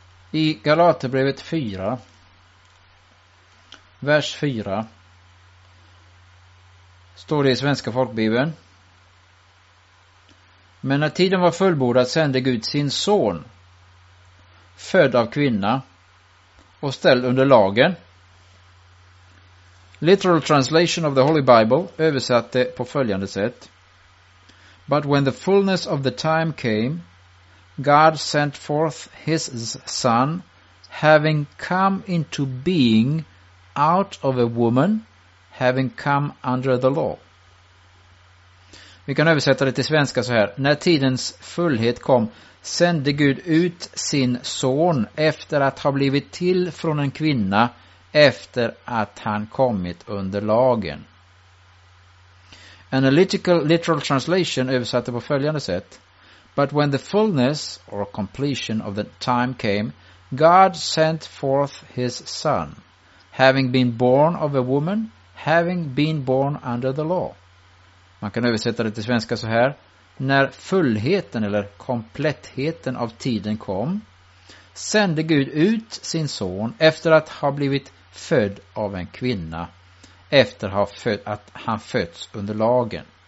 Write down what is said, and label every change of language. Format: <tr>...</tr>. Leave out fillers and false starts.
<sv>I Galaterbrevet 4, vers 4, står det i Svenska folkbibeln: men när tiden var fullbordad sände Gud sin son, född av kvinna och ställd under lagen.</sv> <en>Literal translation of the Holy Bible</en> <sv>översatte på följande sätt:</sv> <en>but when the fullness of the time came, God sent forth his son, having come into being out of a woman, having come under the law.</en> <sv>Vi kan översätta det till svenska så här: när tidens fullhet kom, sände Gud ut sin son efter att ha blivit till från en kvinna, efter att han kommit under lagen.</sv> <en>Analytical literal translation</en> <sv>översatte på följande sätt:</sv> <en>but when the fullness or completion of the time came, God sent forth his son, having been born of a woman, having been born under the law.</en> <sv>Man kan översätta det till svenska så här: när fullheten eller komplettheten av tiden kom, sände Gud ut sin son efter att ha blivit född av en kvinna, efter att han fötts under lagen.</sv>